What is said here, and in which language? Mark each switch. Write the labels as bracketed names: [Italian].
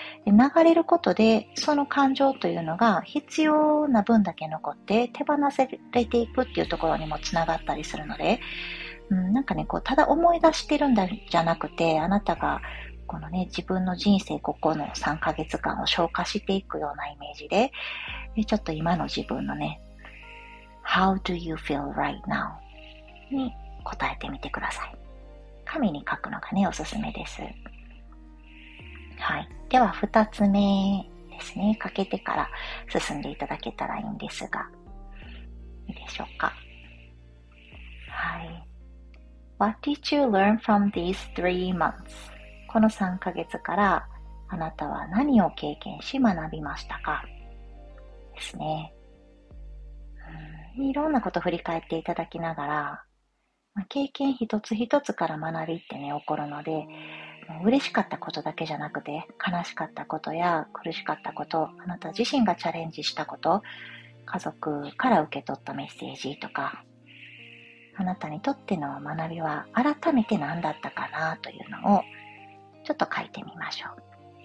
[Japanese] で、流れることでその感情というのが必要な分だけ残って手放されていくっていうところにもつながったりするので、なんかね、こう、ただ思い出してるんだじゃなくて、あなたがこのね、自分の人生ここの3ヶ月間を消化していくようなイメージで、でちょっと今の自分のね、 [English] How do you feel right now? [Japanese] に答えてみてください。紙に書くのがね、おすすめです。はい。では、二つ目ですね。書けてから進んでいただけたらいいんですが。いいでしょうか。はい。 [English] What did you learn from these three months? [Japanese] この3ヶ月から、あなたは何を経験し学びましたか？ですね。いろんなことを振り返っていただきながら、経験一つ一つから学びってね、起こるので、もう嬉しかったことだけじゃなくて、悲しかったことや苦しかったこと、あなた自身がチャレンジしたこと、家族から受け取ったメッセージとか、あなたにとっての学びは改めて何だったかなというのを、ちょっと書いてみましょう。